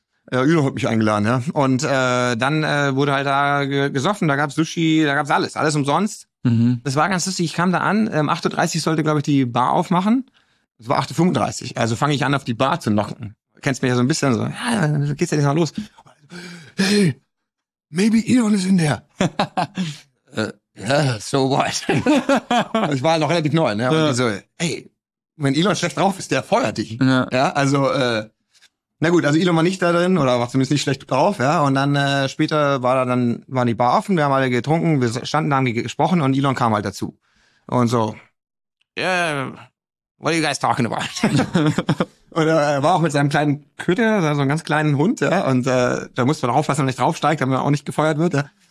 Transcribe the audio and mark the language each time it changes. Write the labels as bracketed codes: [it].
[de] Elon hat mich eingeladen, ja. Und dann wurde halt da gesoffen, da gab's Sushi, da gab's alles umsonst. Das war ganz lustig, ich kam da an, 8:30 Uhr sollte, glaube ich, die Bar aufmachen. Es war 8:35 Uhr, also fange ich an, auf die Bar zu knocken. Kennst mich ja so ein bisschen, so, ja, dann geht's ja nicht mal los. [en] Hey, maybe Elon ist in there. so what? [de] Ich war noch relativ neu, ne? Und ja. So, hey, wenn Elon schlecht drauf ist, der feuert dich. Ja, ja, also, na gut, also Elon war nicht da drin oder war zumindest nicht schlecht drauf, ja. Und dann später war da dann waren die Bar offen, wir haben alle getrunken, wir standen da, haben gesprochen und Elon kam halt dazu. Und so, [en] yeah, what are you guys talking about? [de] Und er war auch mit seinem kleinen Köter, so einem ganz kleinen Hund, ja. Und da musste man aufpassen, dass er nicht draufsteigt, damit er auch nicht gefeuert wird, ja.